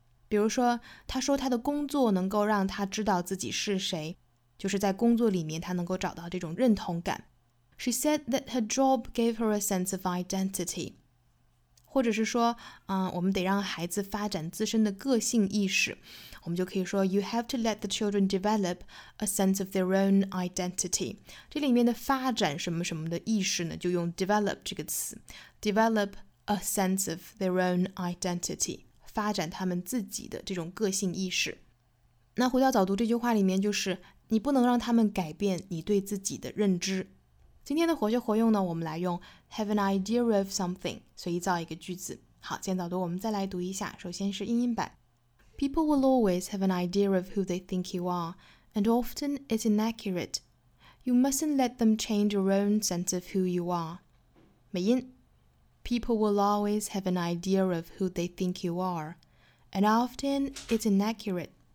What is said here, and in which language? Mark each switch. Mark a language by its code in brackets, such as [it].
[zh] 比如说他说他的工作能够让他知道自己是谁，就是在工作里面他能够找到这种认同感。 [en] She said that her job gave her a sense of identity. [zh] 或者是说我们得让孩子发展自身的个性意识。我们就可以说 [en] You have to let the children develop a sense of their own identity. [zh] 这里面的发展什么什么的意识呢，就用 develop 这个词。 [en] Develop a sense of their own identity. [zh] 发展他们自己的这种个性意识。那回到早读这句话里面，就是你不能让他们改变你对自己的认知。今天的活学活用呢，我们来用 have an idea of something 随意造一个句子。好，今天早读我们再来读一下，首先是英音版。 [en] People will always have an idea of who they think you are, and often it's inaccurate. You mustn't let them change your own sense of who you are. [zh] 美音。 [en] People will always have an idea of who they think you are, and often it's inaccurate.